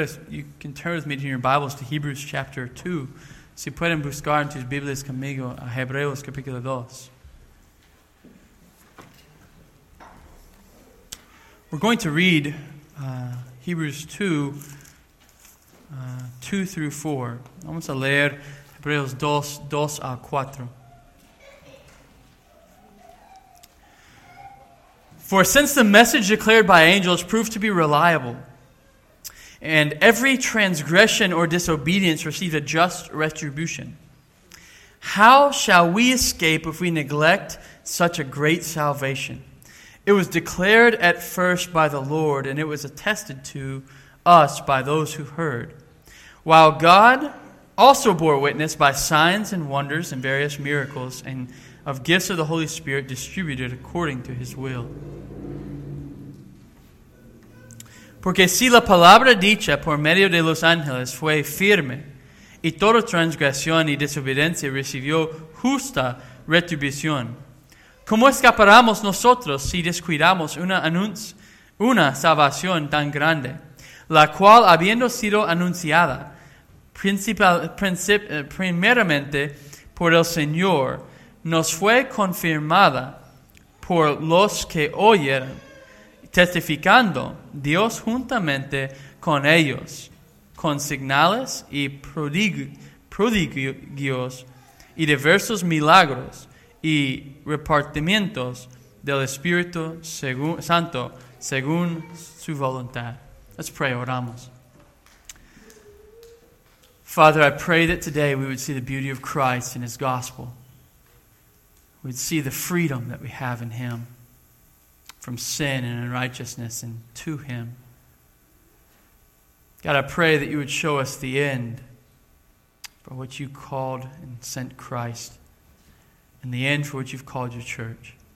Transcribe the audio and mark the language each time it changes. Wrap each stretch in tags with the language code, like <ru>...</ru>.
<en>You can turn with me in your Bibles to Hebrews chapter 2.</en> <es>Si pueden buscar en tus Biblias conmigo a Hebreos capítulo 2.</es> <en>We're going to read Hebrews 2 through 4.</en> <es>Vamos a leer Hebreos 2 a 4.</es> <en>For since the message declared by angels proved to be reliable, and every transgression or disobedience received a just retribution, how shall we escape if we neglect such a great salvation? It was declared at first by the Lord, and it was attested to us by those who heard. While God also bore witness by signs and wonders and various miracles and of gifts of the Holy Spirit distributed according to His will.</en> <es>Porque si la palabra dicha por medio de los ángeles fue firme, y toda transgresión y desobediencia recibió justa retribución, ¿cómo escaparamos nosotros si descuidamos una salvación tan grande, la cual habiendo sido anunciada primeramente por el Señor, nos fue confirmada por los que oyeron, testificando Dios juntamente con ellos, con señales y prodigios y diversos milagros y repartimientos del Espíritu Santo según su voluntad?</es> <en>Let's pray,</en> <es>oramos.</es> <en>Father, I pray that today we would see the beauty of Christ in His gospel. We'd see the freedom that we have in Him from sin and unrighteousness and to Him. God, I pray that You would show us the end for which You called and sent Christ and the end for which You've called Your church.</en>